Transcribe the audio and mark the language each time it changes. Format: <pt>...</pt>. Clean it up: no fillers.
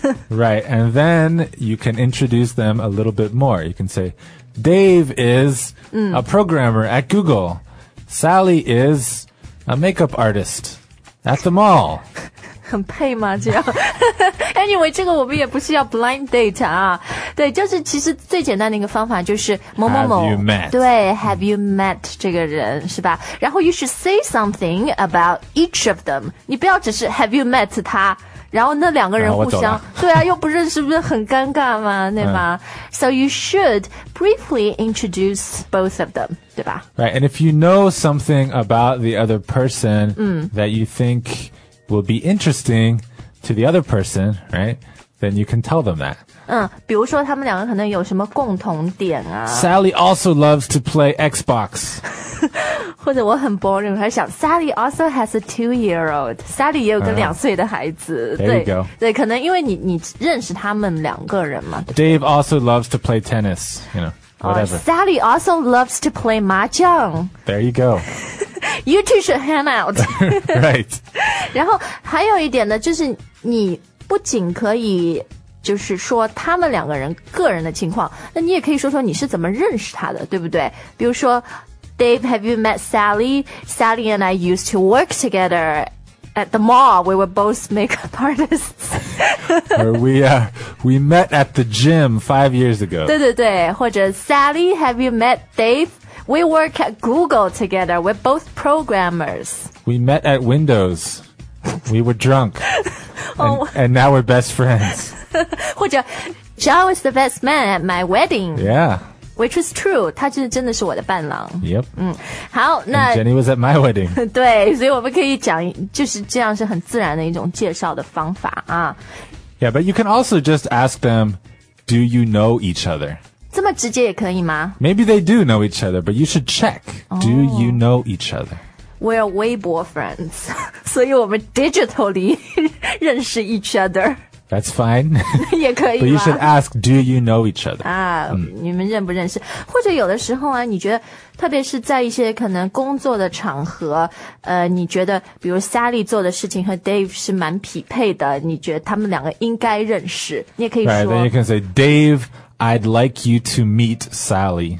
<en>Right, and then you can introduce them a little bit more. You can say, Dave is a programmer at Google. Sally is a makeup artist at the mall.</en> <zh>很配吗这样</zh> <en>Anyway,</en> <zh>这个我们也不是要</zh> <en>blind date</en> <zh>啊。对，就是其实最简单的一个方法就是某某某。</zh> <en>Have you met?</en> <zh>对 ,</zh> <en>have you met</en> <zh>这个人是吧。然后</zh> <en>you should say something about each of them.</en> <zh>你不要只是</zh> <en>have you met</en> <zh>他。然后那两个人互相对啊又不认识不是很尴尬吗对吗、嗯、</zh> <en>So you should briefly introduce both of them,</en> <zh>对吧</zh> <en>Right, and if you know something about the other person、嗯、that you think will be interesting to the other person, right, then you can tell them that.</en> <zh>嗯比如说他们两个可能有什么共同点啊</zh> <en>Sally also loves to play Xbox.</en> <zh>或者我很</zh> <en>boring,</en> <zh>还想</zh> <en>Sally also has a 2-year-old.</en> <zh>Sally 也有个两岁的孩子。</zh> <en>There you go.</en> <zh>对可能因为你认识他们两个人嘛。</zh> <en>Dave also loves to play tennis, you know, whatever.、 Sally also loves to play 麻将。 There you go. You two should hang out. Right.</en> <zh>然后还有一点呢就是你不仅可以就是说他们两个人个人的情况那你也可以说说你是怎么认识他的对不对比如说</zh> <en>Dave, have you met Sally? Sally and I used to work together at the mall. We were both makeup artists. we met at the gym 5 years ago.</en> <zh>对对对，或者</zh> <en>Sally, have you met Dave? We work at Google together. We're both programmers. We met at Windows. We were drunk. and now we're best friends.</en> <zh>或者</zh> <en>John was the best man at my wedding. Yeah. Which is true,</en> <zh>他就是真的是我的伴郎。</zh> <en>Yep.</en> <zh>嗯，好，那</zh> <en>And Jenny was at my wedding.</en> <zh>对，所以我们可以讲，就是这样是很自然的一种介绍的方法啊。</zh> <en>Yeah, but you can also just ask them, do you know each other?</en> <zh>这么直接也可以吗</zh> <en>？Maybe they do know each other, but you should check.、Oh, do you know each other? We're Weibo friends,</en> <zh>所以我们</zh> <en>digitally</en> <zh>认识</zh> <en>each other. That's fine.</en> <zh>也可以</zh> <en>But you should ask, do you know each other?</en> <zh>啊、你们认不认识或者有的时候啊你觉得特别是在一些可能工作的场合你觉得比如 Sally 做的事情和 Dave 是蛮匹配的你觉得他们两个应该认识你也可以说</zh> <en>Right, then you can say, Dave, I'd like you to meet Sally.</en>